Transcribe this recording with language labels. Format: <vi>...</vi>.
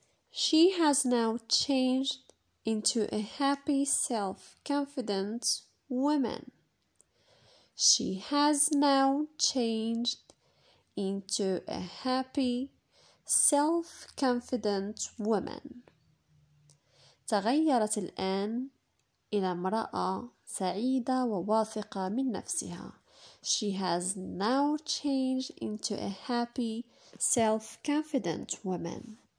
<en>She has now changed into a happy, self-confident woman. She has now changed into a happy, self-confident woman.</en> <ar>تغيرت الآن إلى امرأة سعيدة وواثقة من نفسها.</ar> <en>She has now changed into a happy, self-confident woman.</en>